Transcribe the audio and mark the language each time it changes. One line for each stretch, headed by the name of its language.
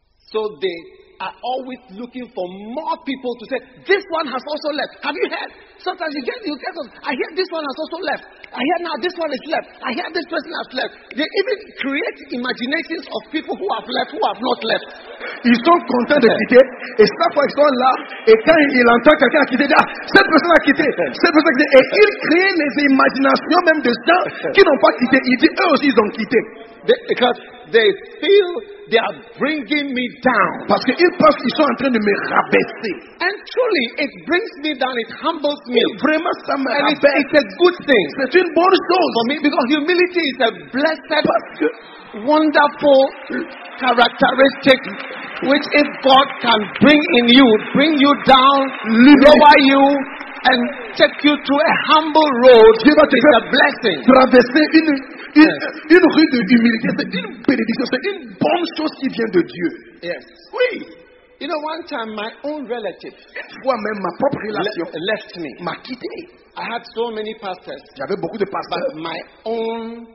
English: So they are always looking for more people to say, this one has also left. Have you heard? Sometimes you get them. I hear this one has also left. I hear now this one is left. I hear this person has left. They even create imaginations of people who have left, who have not left.
French: Ils sont contents de quitter. Et chaque fois qu'ils sont là, et quand ils entendent quelqu'un a quitté, ah, cette personne a quitté, cette personne a quitté. Et ils créent les imaginations même de gens qui n'ont pas quitté. Ils disent, eux aussi, ils ont quitté.
English: Because they feel they are bringing me down.
French: Parce qu'ils pensent qu'ils sont en train de me rabaisser.
English: And truly, it brings me down. It humbles me.
French: Et vraiment, ça me rabaisse.
English: And it's a good thing.
French: C'est une bonne chose.
English: For me, because humility is a blessed, wonderful characteristic which if God can bring you down, lower you and take you to a humble road, it's a blessing.
French: Traverser une rue de humilité, c'est une bénédiction, c'est une bonne chose qui vient de Dieu.
English: Yes.
French: Oui.
English: You know, one time my own relative,
French: moi-même ma propre relation,
English: left me,
French: m'a quitté.
English: I had so many pastors.
French: J'avais beaucoup de pasteurs.
English: But my own